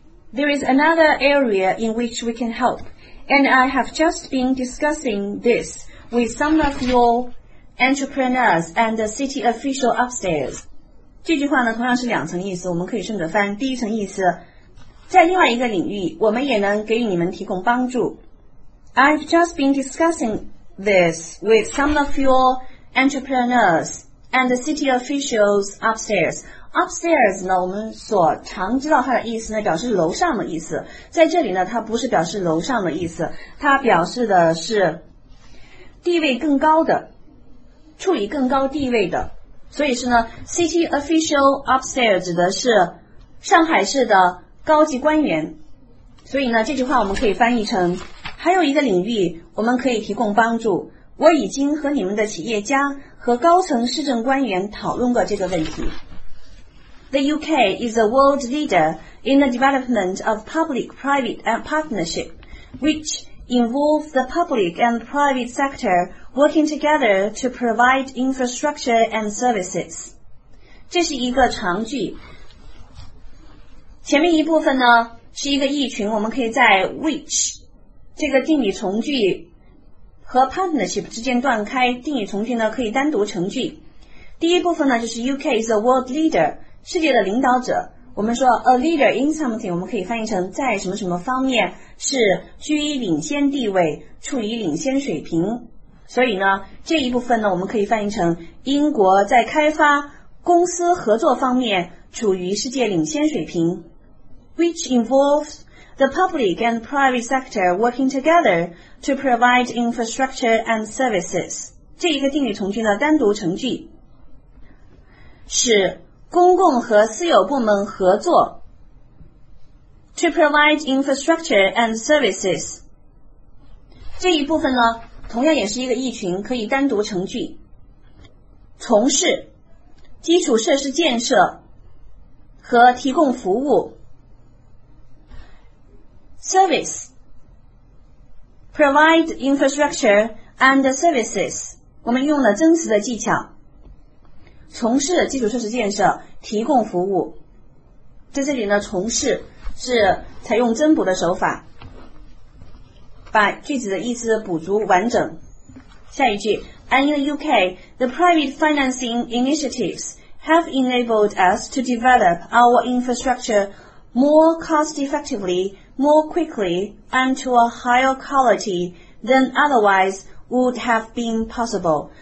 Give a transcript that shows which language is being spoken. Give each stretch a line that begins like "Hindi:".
English: There is another area in which we can help, and I have just been discussing this with some of your entrepreneurs and the city official upstairs.
Chinese: 这句话呢，同样是两层意思，我们可以顺着翻。第一层意思，在另外一个领域，我们也能给予你们提供帮助。
English: I've just been discussing this with some of your entrepreneurs and the city officials upstairs.
Chinese: Upstairs 呢，我们所常知道它的意思呢，表示楼上的意思。在这里呢，它不是表示楼上的意思，它表示的是地位更高的，处于更高地位的。所以是呢 ，
English: city official upstairs
Chinese: 指的是上海市的高级官员。所以呢，这句话我们可以翻译成。还有一个领域我们可以提供帮助，我已经和你们的企业家和高层市政官员讨论过这个问题。
English: The UK is a world leader in the development of public-private partnership, which involves the public and private sector working together to provide infrastructure and services.
Chinese: 这是一个长句，前面一部分呢是一个意群，我们可以在 which这个定语从句和 partnership 之间断开，定语从句呢可以单独成句。第一部分呢就是
English: UK is a world leader,
Chinese: 世界的领导者。我们说
English: a leader in something,
Chinese: 我们可以翻译成在什么什么方面是居于领先地位，处于领先水平。所以呢这一部分呢我们可以翻译成英国在开发公司合作方面处于世界领先水平。
English: Which involves the public and private sector working together to provide infrastructure and services.
Chinese: 这一个定语从句呢单独成句，是公共和私有部门合作
English: to provide infrastructure and services.
Chinese: 这一部分呢同样也是一个意群，可以单独成句。从事基础设施建设和提供服务
English: Service, provide infrastructure and services.
Chinese: 我们用了增词的技巧，从事基础设施建设，提供服务。在这里呢，从事是采用增补的手法，把句子的意思补足完整。下一句
English: ，And in the UK, the private financing initiatives have enabled us to develop our infrastructure more cost-effectively. More quickly and to a higher quality than otherwise would have been possible.